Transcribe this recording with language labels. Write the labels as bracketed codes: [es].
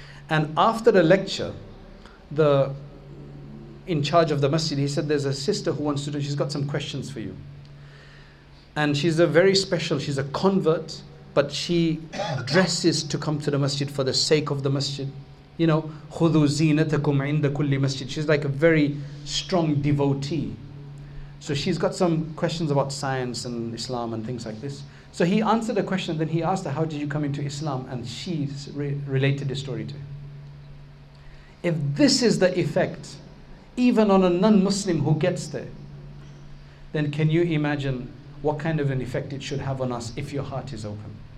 [en] And after the lecture, the in charge of the masjid, he said, there's a sister who wants to do, she's got some questions for you. And she's a very special, she's a convert, but she dresses to come to the masjid for the sake of the masjid. You know, [ar] خُذُوا زِينَتَكُمْ عِنْدَ كُلِّ مَسْجِدٍ. [en] She's like a very strong devotee. So she's got some questions about science and Islam and things like this. So he answered a question, then he asked her, how did you come into Islam? And she related this story to him. If this is the effect, even on a non-Muslim who gets there, then can you imagine what kind of an effect it should have on us if your heart is open?